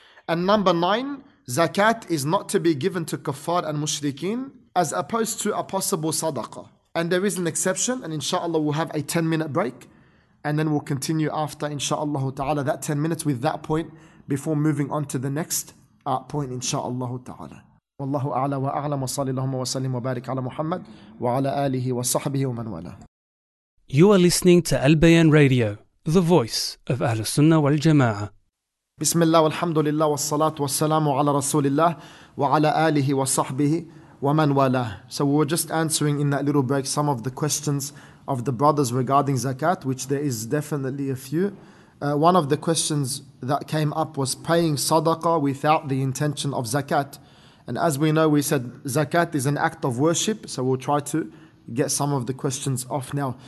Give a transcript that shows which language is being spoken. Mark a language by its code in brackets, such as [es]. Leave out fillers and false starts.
[en] And number 9, zakat is not to be given to kuffar and mushrikeen as opposed to a possible sadaqah. And there is an exception, and inshallah we'll have a 10-minute break. And then we'll continue after, inshallah ta'ala, that 10 minutes with that point before moving on to the next point, inshallah ta'ala. [ar] والله أعلى وأعلم وصلي اللهم وسلم وبارك على محمد وعلى آله وصحبه ومن والاه. [en] You are listening to Al Bayan Radio, the voice of Ahl Sunnah wal Jamaah. [ar] بسم الله والحمد لله والصلاة والسلام على رسول الله وعلى آله وصحبه ومن والاه. [en] So we were just answering in that little break some of the questions of the brothers regarding zakat, which there is definitely a few. One of the questions that came up was paying sadaqah without the intention of zakat. And as we know, we said zakat is an act of worship. So we'll try to get some of the questions off now.